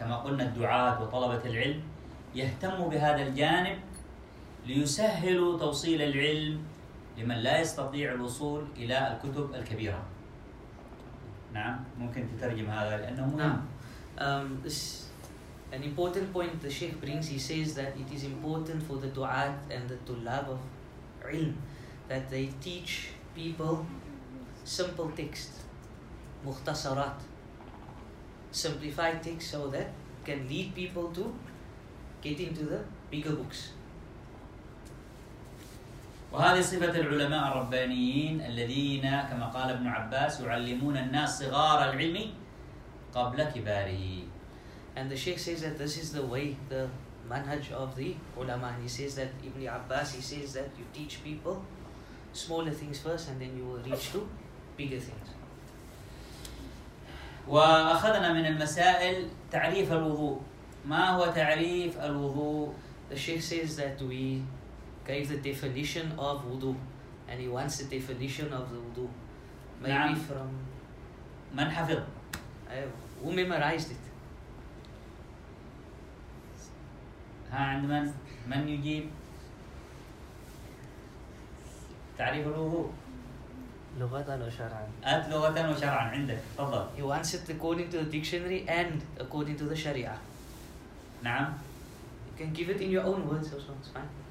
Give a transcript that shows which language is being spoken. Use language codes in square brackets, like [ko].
[ar] كما قلنا الدعاة وطلبة العلم يهتموا بهذا الجانب ليسهلوا توصيل العلم لمن لا يستطيع الوصول إلى الكتب الكبيرة. نعم ممكن تترجم هذا لأنه مهم. نعم. [en] This an important point the Sheikh brings. He says that it is important for the du'at and the tulab of ilm that they teach people simple text, مختصرات, simplified text so that can lead people to get into the bigger books. [ar] وهذه صفة العلماء الربانيين الذين كما قال ابن عباس يعلمون الناس صغار العلم قبل كباره. [en] And the Sheikh says that this is the way, the manhaj of the ulama. He says that Ibn Abbas, he says that you teach people smaller things first and then you will reach to bigger things. [ar] وأخذنا من المسائل تعريف الوضوء. ما هو تعريف الوضوء؟ [en] The Sheikh says that we gave the definition of wudu and he wants the definition of the wudu. Maybe [ar] نعم. [en] from [ar] من حفظ؟ [en] Who memorized it? [ar] ها عند من؟ من يجيب؟ تعريف الوضوء لغة وشرعا. أت لغة وشرعا عندك تفضل. [en] He wants it according to the dictionary and according to the شريعة. [ar] نعم. [en] You can give it in your own words also, it's fine.